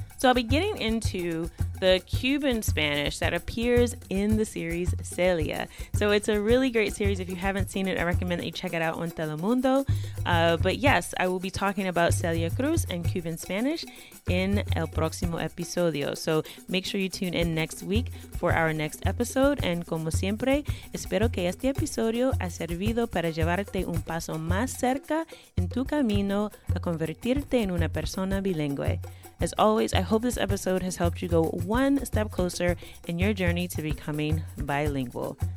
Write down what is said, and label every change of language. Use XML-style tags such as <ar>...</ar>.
<en>So I'll be getting into the Cuban Spanish that appears in the series Celia. So it's a really great series. If you haven't seen it, I recommend that you check it out on Telemundo. But yes, I will be talking about Celia Cruz and Cuban Spanish in</en> <es>el próximo episodio.</es> <en>So make sure you tune in next week for our next episode. And</en> <es>como siempre, espero que este episodio ha servido para llevarte un paso más cerca en tu camino a convertirte en una persona bilingüe.</es> <en>As always, I hope this episode has helped you go one step closer in your journey to becoming bilingual.</en>